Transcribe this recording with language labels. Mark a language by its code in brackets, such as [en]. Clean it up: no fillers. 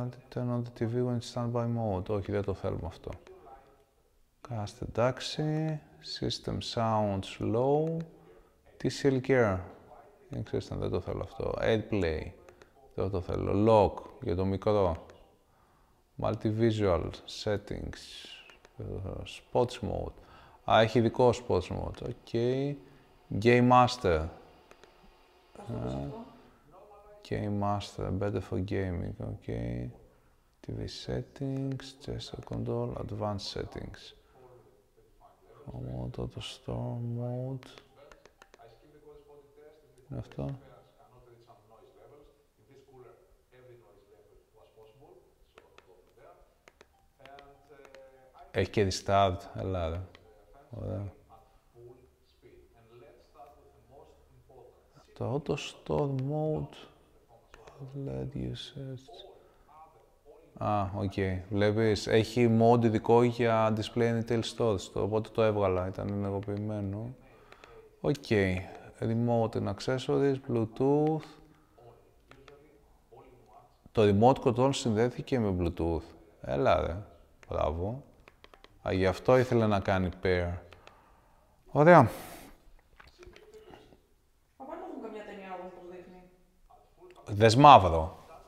[en] Turn on the TV when it's standby mode. [el] Όχι, δεν το θέλουμε αυτό. [en] Cast, [el] εντάξει. [en] System sounds low. TCL care. [el] Ξέρετε, δεν το θέλω αυτό. AirPlay. Δεν το θέλω. [en] Lock [el] για το μικρό. [en] Multivisual settings. Sports mode. [el] Α, έχει ειδικό sports mode. [en] Οκ. Okay. Game Master. Game Master. Better for gaming. [el] Οκ. [en] Okay. TV settings. Gesture control. Advanced settings. Mode, auto store mode. [el] Είναι αυτό. Έχει και restart, έλα ρε. Ωραία. [en] Το auto store mode. OLED usage. Α, οκ. [el] Βλέπεις, έχει mode ειδικό για [en] display and retail stores. [el] Οπότε το έβγαλα, ήταν ενεργοποιημένο. Οκ. [en] Remote and accessories, Bluetooth. [el] Το remote control συνδέθηκε με Bluetooth. Έλα ρε. Μπράβο. Α, γι' αυτό ήθελα να κάνει pair. Ωραία. Παπάνω έχουν καμιά ταινία όπως δείχνει. Δες μαύρο.